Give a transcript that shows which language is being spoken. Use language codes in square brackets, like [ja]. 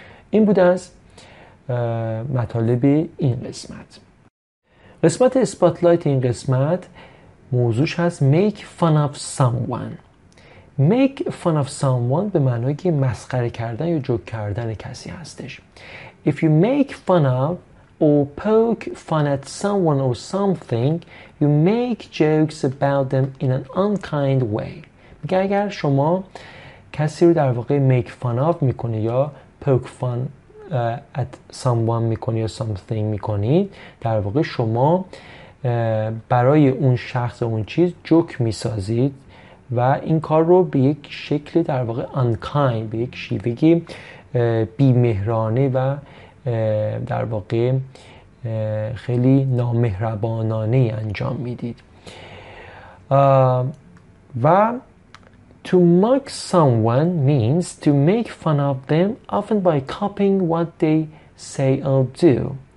[fa] این بود از مطالب این قسمت. قسمت اسپاتلایت این قسمت موضوعش هست [en] make fun of someone. make fun of someone [fa] به معنای که مسخره کردن یا جوک کردن کسی هستش. [en] if you make fun of or poke fun at someone or something you make jokes about them in an unkind way. [fa] میگه اگر شما کسی رو در واقع make fun of میکنه یا [en] poke fun at someone [fa] میکنی یا something میکنی، در واقع شما برای اون شخص اون چیز جوک میسازید و این کار رو به یک شکل در واقع unkind، به یک شیوه بیمهرانه و در واقع خیلی نامهربانانه انجام میدید. [en] و to mock someone means to make fun of them often by copying what they say or do.